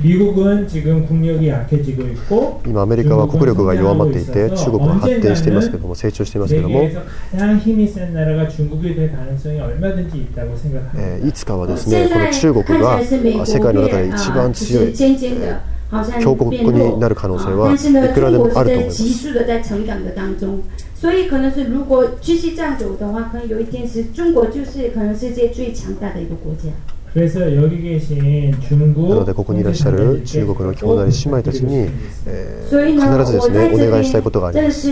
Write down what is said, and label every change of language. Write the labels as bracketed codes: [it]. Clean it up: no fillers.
[ja] 今アメリカは国力が弱まっていて、中国は発展していますけども、成長していますけども、いつかはですね、この中国が世界の中で一番強い強国になる可能性はいくらでもあると思います。 [zh] 所以可能是如果继续这样走的话，可能有一天是中国就是可能世界最强大的一个国家。 [ja] なのでここにいらっしゃる中国の兄弟姉妹たちに、必ずですねお願いしたいことがあります。